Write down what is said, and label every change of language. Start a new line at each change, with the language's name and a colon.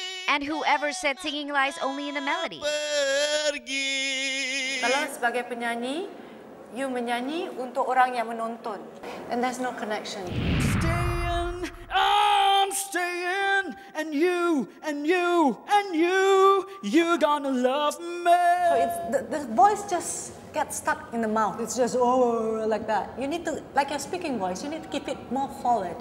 English: And whoever said singing lies only in the melody.
Malay: Pergi. Kalau sebagai penyanyi, you menyanyi untuk orang yang menonton.
English: And there's no connection. Staying, I'm staying. And you, and you, and you, you're gonna love me. So it's, the voice just gets stuck in the mouth. It's just oh, like that. You need to, like your speaking voice, you need to keep it more solid.